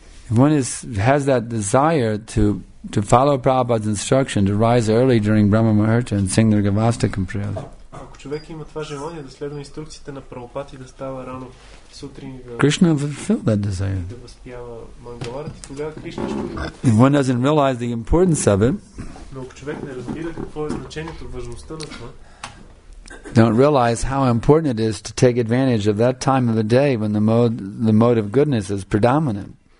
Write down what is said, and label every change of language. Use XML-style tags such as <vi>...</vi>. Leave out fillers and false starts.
<en>If one has that desire to follow Prabhupada's instruction to rise early during Brahma Muhurta and sing their Gavastikam prayers.</en> <bg>Човек има това желание да следва инструкциите на Прабхупад и да става рано сутрин.</bg> <en>Кришна fulfill that desire.</en> <bg>Да възпява Мангаларти, тогава Кришна ще.</bg> <en>If one doesn't realize the importance of it,</en> <bg>но ако човек не разбира какво е значението, важността на това.</bg> <en>Don't realize how important it is to take advantage of that time of the day when the mode of goodness is predominant.</en>